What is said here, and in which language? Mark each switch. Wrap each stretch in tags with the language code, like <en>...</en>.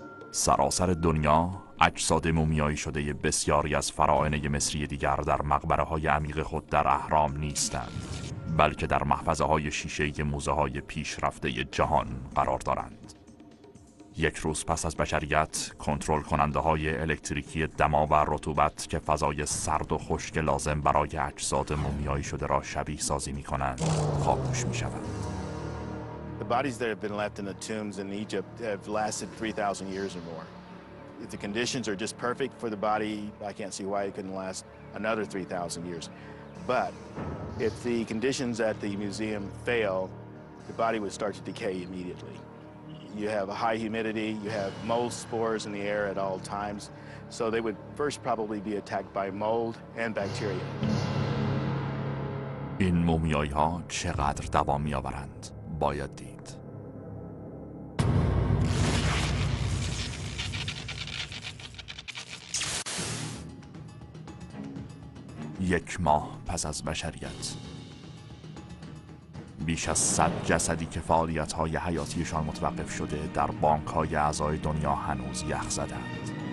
<fa>سراسر دنیا اجساد مومیایی شده بسیاری از فراعنه مصری دیگر در مقبره‌های عمیق خود در اهرام نیستند، بلکه در محفظه‌های شیشه‌ای موزه‌های پیشرفته جهان قرار دارند. یک روز پس از بشریت، کنترل کننده‌های الکتریکی دما و رطوبت که فضای سرد و خشک لازم برای اجساد مومیایی شده را شبیه سازی می‌کنند، خاموش می‌شوند.</fa> <en>The bodies that have been left in the tombs in Egypt have lasted 3000 years or more. If the conditions are just perfect for the body, I can't see why it couldn't last another 3000 years. But if the conditions at the museum fail, the body would start to decay immediately. You have a high humidity, you have mold spores in the air at all times, so they would first probably be attacked by mold and bacteria.</en> <fa>این مومیایی‌ها چقدر دوام می‌آورند؟ باید دید. یک ماه پس از بشریت، بیش از 100 جسدی که فعالیت‌های حیاتیشان متوقف شده در بانک‌های اعضای دنیا هنوز یخ زدند.</fa>